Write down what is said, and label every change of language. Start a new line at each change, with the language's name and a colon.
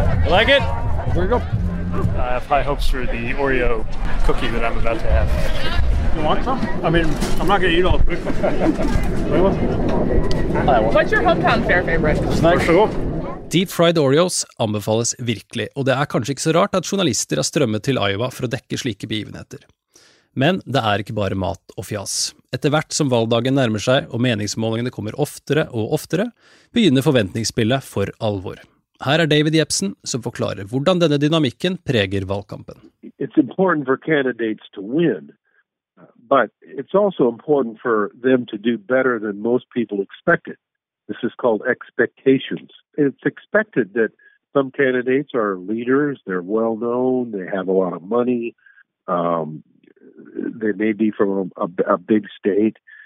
English: Like it? Here we go. I have high hopes for the Oreo cookie that I'm about to have. You want some? I mean, I'm not going to eat all the quick ones. What's your hometown fair favorite? Snack. For sure.
Norwegian: Deep fried Oreos anbefales virkelig, og det kanskje ikke så rart at journalister har strømmet til Iowa for å dekke slike begivenheter. Men det ikke bare mat og fjas. Etter hvert som valgdagen nærmer seg, og meningsmålingene kommer oftere og oftere, begynner forventningsspillet for alvor. Her David Jepsen, som forklarer hvordan denne dynamikken preger valgkampen.
English: It's important for candidates to win, but it's also important for them to do better than most people expected. This is called expectations. It's expected that some candidates are leaders, they're well known, they have a lot of money, they may be from a big state.